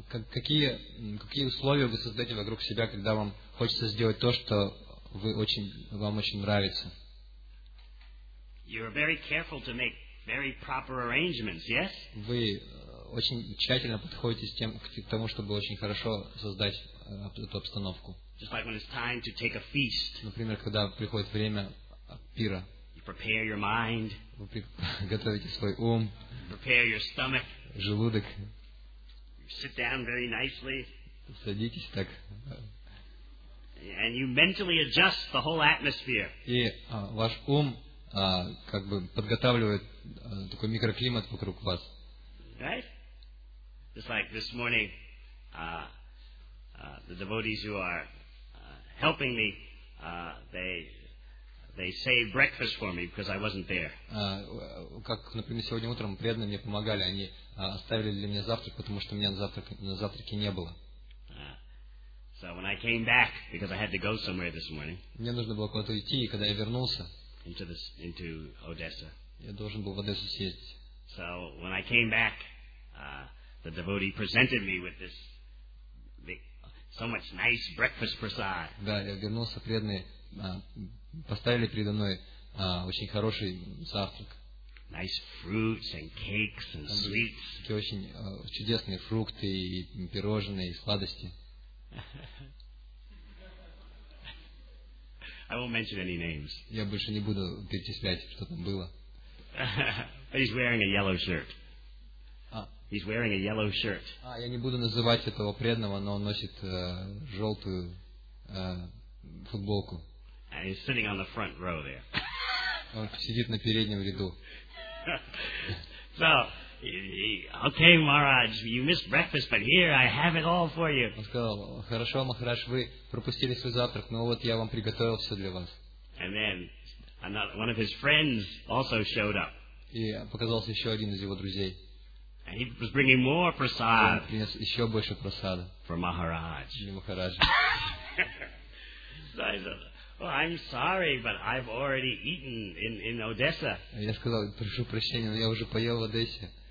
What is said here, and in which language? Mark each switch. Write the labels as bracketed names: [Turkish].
[Russian] Какие условия вы создаете вокруг себя, когда вам хочется сделать то, что вам очень нравится? [English] You are very careful to make very proper arrangements, yes? [Russian] Вы очень тщательно подходите к тому, чтобы очень хорошо создать эту обстановку. [English] Just like when it's time to take a feast. [Russian] Например, когда приходит время пира. [English] Prepare your mind. [Russian] Готовите свой ум. [English] Prepare your stomach. [Russian] Желудок. [English] Sit down very nicely. [Russian] Садитесь так. [English] And you mentally adjust the whole atmosphere. [Russian] И ваш ум как бы подготавливает такой микроклимат вокруг вас. [English] Right? Just like this morning, the devotees who are helping me, they saved breakfast for me because I wasn't there. [Russian] Как, например, сегодня утром преданные мне помогали, они оставили для меня завтрак, потому что меня на завтраке не было. [English] So when I came back because I had to go somewhere this morning. [Russian] Мне нужно было куда-то идти, и когда я вернулся. [English] Into Odessa. [Russian] Я должен был в Одессу съездить. [English] So when I came back, the devotee presented me with this so much nice breakfast prasad. [Russian] Да, я вернулся преданный. Поставили передо мной очень хороший завтрак. [English] Nice fruits and cakes and sweets. [Russian] Такие очень чудесные фрукты и пирожные и сладости. [English] I won't mention any names. [Russian] Я больше не буду перечислять, что там было. [English] He's wearing a yellow shirt. He's wearing a yellow shirt. [Russian] Я не буду называть этого преданного, но он носит желтую футболку. [English] And he's sitting on the front row there. [Russian] Он сидит на переднем ряду. [English] So, okay, Maharaj, you missed breakfast, but here I have it all for you. [Russian] Он сказал: хорошо, Махарадж, вы пропустили свой завтрак, но вот я вам приготовил все для вас. [English] And then one of his friends also showed up. [Russian] И показался еще один из его друзей. [English] And he was bringing more prasad. [Russian] Он принес еще больше просада. [English] For Maharaj. [Russian] Для Махараджа. [English] Well, I'm sorry, but I've already eaten in Odessa. [Russian] Я сказал: прошу прощения, но я уже поел в Одессе.